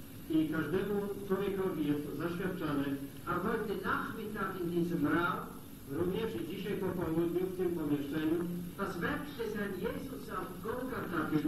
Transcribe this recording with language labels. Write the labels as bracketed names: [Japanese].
[Polish] I każdemu człowiekowi jest zaświadczane. [German] A heute Nachmittag in diesem Raum, [Polish] również dzisiaj po południu w tym pomieszczeniu, [German] das Werk des Herrn Jesus auf Golgatha,